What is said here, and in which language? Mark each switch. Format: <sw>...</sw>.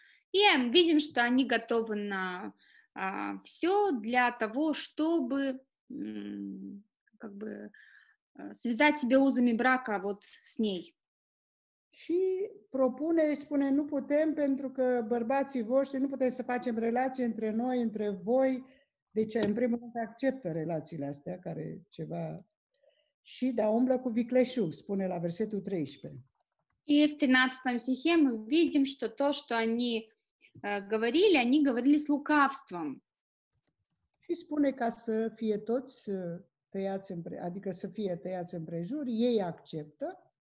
<ru>И мы видим, что они готовы на все для того, чтобы как бы связать себе узами брака вот с ней.</ru> <ro>Și propune, spune, nu putem pentru că bărbații voștri nu puteți să facem relații între noi, între voi. Deci, în primul rând, acceptă relațiile astea care ceva... Și da, umblă cu vicleșug, spune la versetul 13.</ro> <ru>И в 13 стихе мы видим, что то, что они говорили, они говорили с лукавством.</ru> <ro>Și spune ca să fie toți tăiați, adică să fie tăiați împrejur, ei acceptă.</ro>